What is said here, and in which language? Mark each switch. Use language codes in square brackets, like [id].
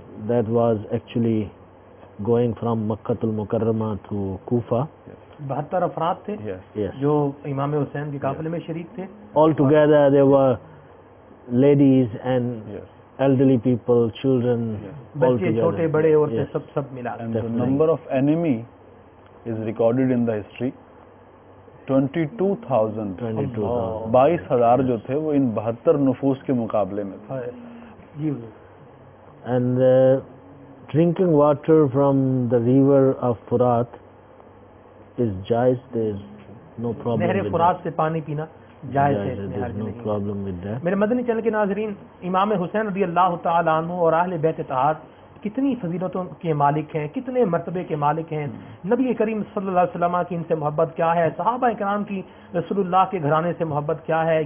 [en] That was actually going from Makkah al-Mukarrama to Kufa. [ur] 72 افراد تھے جو امام حسین کے قافلے میں شریک تھے. [en] All together there were ladies and elderly people, children, [ur] بچے چھوٹے بڑے اور سب سب ملا. [en] The number of enemy is recorded in the history, 22,000 [ur] جو تھے وہ ان 72 نفوس کے مقابلے میں تھے. [en] And drinking water from the river of Furat is jais, there is no problem. [ur] نہر فرات سے پانی پینا جائز ہے, [en] no problem with that. [ur] میرے مدنی چینل کے ناظرین, امام حسین رضی اللہ تعالیٰ عنہ اور اہل بیت طہارت کتنی فضیلتوں کے مالک ہیں, کتنے مرتبے کے مالک ہیں. نبی کریم صلی اللہ علیہ وسلم کی ان سے محبت کیا ہے, صحابہ کرام کی رسول اللہ کے گھرانے سے محبت کیا ہے.